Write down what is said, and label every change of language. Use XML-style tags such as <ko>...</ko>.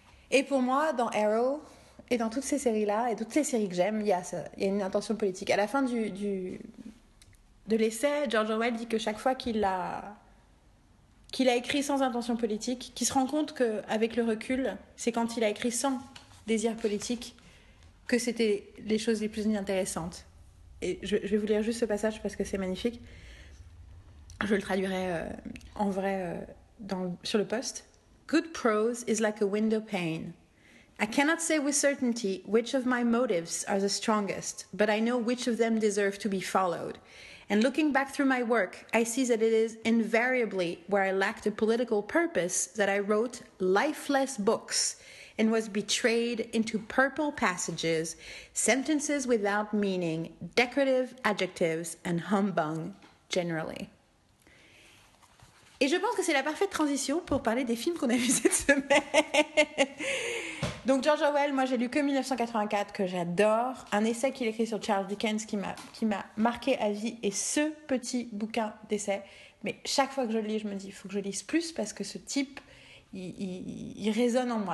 <fr>Et pour moi, dans Arrow, et dans toutes ces séries-là, et toutes les séries que j'aime, il y a une intention politique. À la fin de l'essai, George Orwell dit que chaque fois qu'il a écrit sans intention politique, qu'il se rend compte qu'avec le recul, c'est quand il a écrit sans désir politique que c'était les choses les plus intéressantes. Et je vais vous lire juste ce passage parce que c'est magnifique. Je le traduirai en vrai sur le post.</fr> <en>Good prose is like a window pane. I cannot say with certainty which of my motives are the strongest, but I know which of them deserve to be followed. And looking back through my work, I see that it is invariably where I lacked a political purpose that I wrote lifeless books and was betrayed into purple passages, sentences without meaning, decorative adjectives, and humbug generally.</en> <fr>Et je pense que c'est la parfaite transition pour parler des films qu'on a vus cette semaine. Donc George Orwell, moi j'ai lu que 1984, que j'adore. Un essai qu'il écrit sur Charles Dickens qui m'a marqué à vie, et ce petit bouquin d'essai. Mais chaque fois que je le lis, je me dis, il faut que je lise plus parce que ce type, il résonne en moi.</fr>